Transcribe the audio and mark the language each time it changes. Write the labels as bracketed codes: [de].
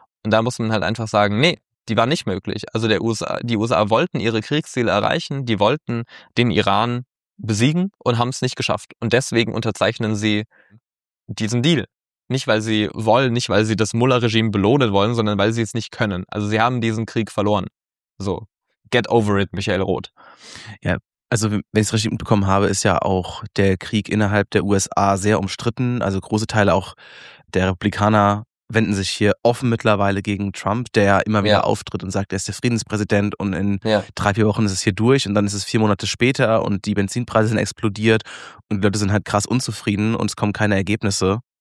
[de] Und da muss man halt einfach sagen, nee, die war nicht möglich. Also die USA wollten ihre Kriegsziele erreichen, die wollten den Iran besiegen und haben es nicht geschafft. Und deswegen unterzeichnen sie diesen Deal. Nicht, weil sie wollen, nicht, weil sie das Mullah-Regime belohnen wollen, sondern weil sie es nicht können. Also sie haben diesen Krieg verloren. [en] So, get over it, Michael Roth. [de] Ja. Also wenn ich es richtig mitbekommen habe, ist ja auch der Krieg innerhalb der USA sehr umstritten. Also große Teile auch der Republikaner wenden sich hier offen mittlerweile gegen Trump, der ja immer wieder auftritt und sagt, er ist der Friedenspräsident und in 3-4 Wochen ist es hier durch und dann ist es 4 Monate später und die Benzinpreise sind explodiert und die Leute sind halt krass unzufrieden und es kommen keine Ergebnisse.